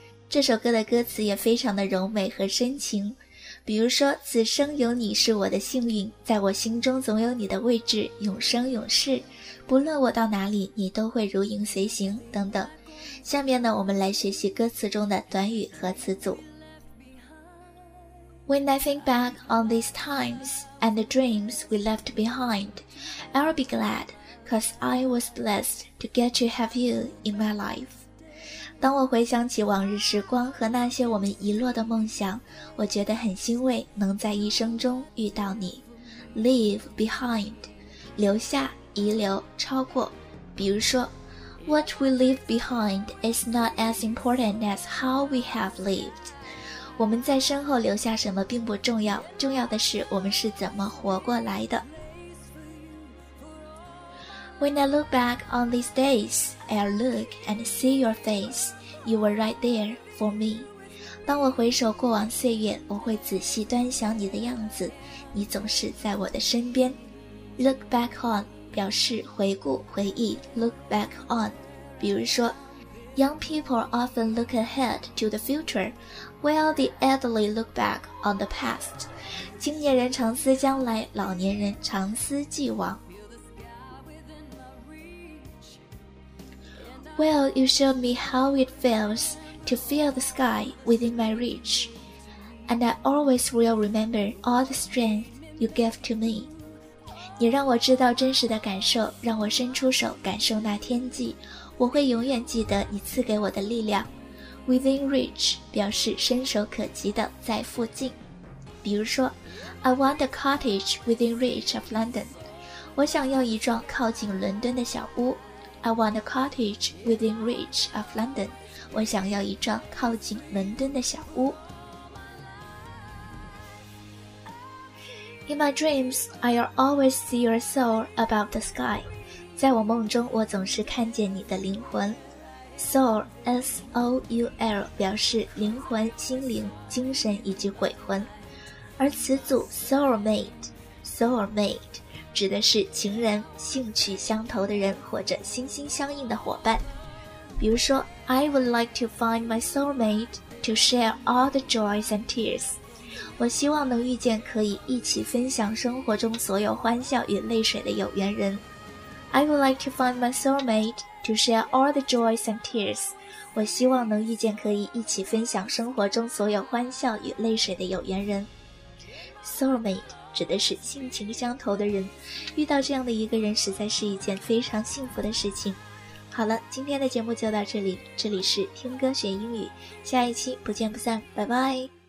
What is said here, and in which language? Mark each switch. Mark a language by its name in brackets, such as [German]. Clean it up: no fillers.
[Chinese] 这首歌的歌词也非常的柔美和深情，比如说此生有你是我的幸运，在我心中总有你的位置，永生永世，不论我到哪里你都会如影随形等等。下面呢，我们来学习歌词中的短语和词组。 [English] When I think back on these times and the dreams we left behind, I'll be glad'Cause I was blessed to get to have you in my life. [Chinese] 当我回想起往日时光和那些我们遗落的梦想，我觉得很欣慰能在一生中遇到你。 [English] Leave behind， [Chinese] 留下，遗留，超过。比如说， [English] What we leave behind is not as important as how we have lived。 [Chinese] 我们在身后留下什么并不重要，重要的是我们是怎么活过来的。 [English] When I look back on these days, I'll look and see your face. You were right there for me. [Chinese] 当我回首过往岁月，我会仔细端详你的样子，你总是在我的身边。 [English] Look back on [Chinese] 表示回顾回忆。 [English] Look back on， [Chinese] 比如说， [English] Young people often look ahead to the future, while the elderly look back on the past. [Chinese] 青年人常思将来，老年人常思既往。 [English] Well, you showed me how it feels to feel the sky within my reach, and I always will remember all the strength you gave to me. [Chinese] 你让我知道真实的感受，让我伸出手感受那天际，我会永远记得你赐给我的力量。 [English] Within reach [Chinese] 表示伸手可及的，在附近。比如说， [English] I want a cottage within reach of London. [Chinese] 我想要一幢靠近伦敦的小屋。 [English] I want a cottage within reach of London. [Chinese] 我想要一幢靠近伦敦的小屋。 [English] In my dreams, I'll always see your soul above the sky. [Chinese] 在我梦中，我总是看见你的灵魂。Soul, S-O-U-L, 表示灵魂、心灵、精神以及鬼魂。而词组 soulmate, soulmate,指的是情人、兴趣相投的人或者心心相印的伙伴。比如说， [English] I would like to find my soulmate to share all the joys and tears. [Chinese] 我希望能遇见可以一起分享生活中所有欢笑与泪水的有缘人。 [English] I would like to find my soulmate to share all the joys and tears. [Chinese] 我希望能遇见可以一起分享生活中所有欢笑与泪水的有缘人。 Soulmate指的是性情相投的人，遇到这样的一个人实在是一件非常幸福的事情。好了，今天的节目就到这里，这里是听歌学英语，下一期不见不散，拜拜。